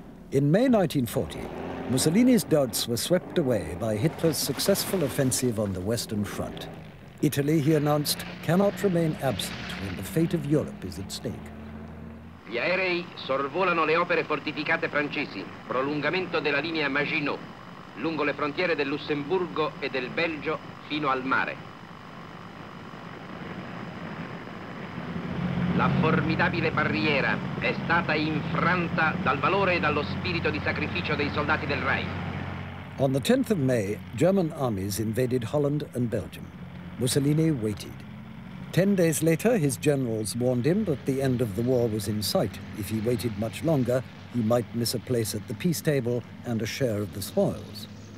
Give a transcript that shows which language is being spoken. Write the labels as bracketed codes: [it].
[en] In May 1940, Mussolini's doubts were swept away by Hitler's successful offensive on the Western Front. Italy, he announced, cannot remain absent when the fate of Europe is at stake. [it] Gli aerei sorvolano le opere fortificate francesi, prolungamento della linea Maginot, lungo le frontiere del Lussemburgo e del Belgio fino al mare. La formidabile barriera è stata infranta dal valore e dallo spirito di sacrificio dei soldati del Reich. [en] On the 10th of May, German armies invaded Holland and Belgium. Mussolini waited. 10 days later, his generals warned him that the end of the war was in sight. If he waited much longer, he might miss a place at the peace table and a share of the spoils.